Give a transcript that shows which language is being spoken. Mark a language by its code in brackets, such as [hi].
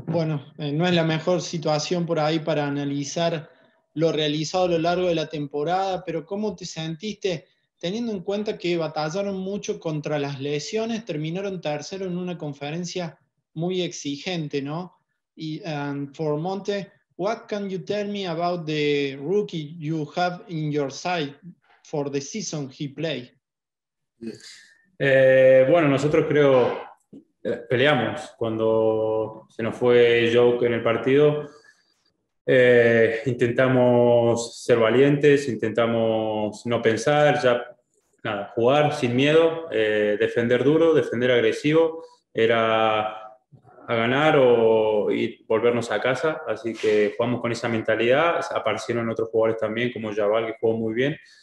[es] Bueno, no es la mejor situación por ahí para analizar lo realizado a lo largo de la temporada, pero ¿cómo te sentiste teniendo en cuenta que batallaron mucho contra las lesiones, terminaron tercero en una conferencia muy exigente, ¿no? [en] Y for Monte, what can you tell me about the rookie you have in your side for the season he play? [es] Bueno, nosotros creo peleamos cuando se nos fue Joke en el partido. Intentamos ser valientes, intentamos no pensar, ya nada, jugar sin miedo, defender duro, defender agresivo, era a ganar o ir, volvernos a casa, así que jugamos con esa mentalidad, aparecieron otros jugadores también, como Jabal, que jugó muy bien,